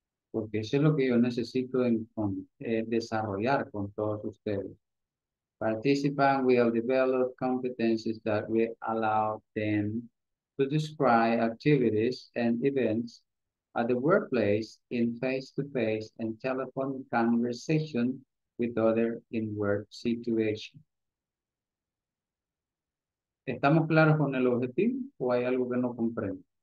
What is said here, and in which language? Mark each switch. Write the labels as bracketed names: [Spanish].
[Spanish] Porque eso es lo que yo necesito desarrollar con todos ustedes. [English] Participants will develop competencies that will allow them to describe activities and events at the workplace in face-to-face and telephone conversation with others in work situation. [Spanish] ¿Estamos claros con el objetivo o hay algo que no comprendo?